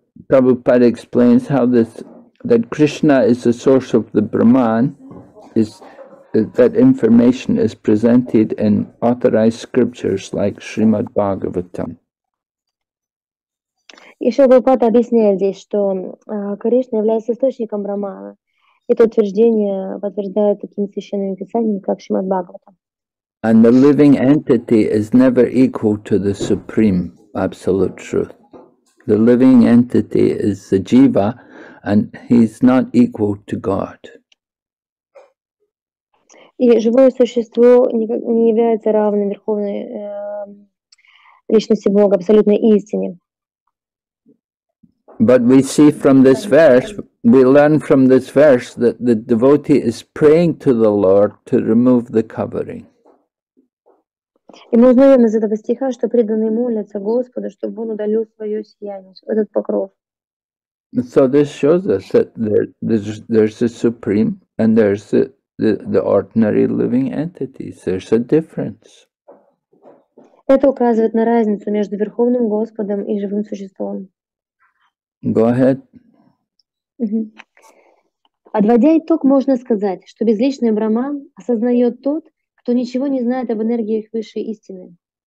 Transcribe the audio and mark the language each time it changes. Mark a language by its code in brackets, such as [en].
[en] Prabhupada explains how this, that Krishna is the source of the Brahman, is that information is presented in authorized scriptures like Srimad Bhagavatam. [ru] И Шрилапада объясняет здесь, что Кришна является источником Брахмана. Это утверждение подтверждает таким священным писанием, как Шримад Бхагаватам. [en] And the living entity is never equal to the supreme absolute truth. The living entity is the jiva, and he's not equal to God. [ru] И живое существо не является равным верховной личности Бога, абсолютной истине. [en] But we see from this verse, we learn from this verse that the devotee is praying to the Lord to remove the covering. [ru] И мы узнаем из этого стиха, что преданный молится Господу, чтобы он удалил свое сияние, этот покров. [en] So this shows us that there's the supreme and there's the ordinary living entities. There's a difference. [ru] Это указывает на разницу между верховным Господом и живым существом. [en] Go ahead. [ru] Подводя итог, можно сказать, что безличный Брахман осознает тот, кто ничего не знает об энергиях высшей истины.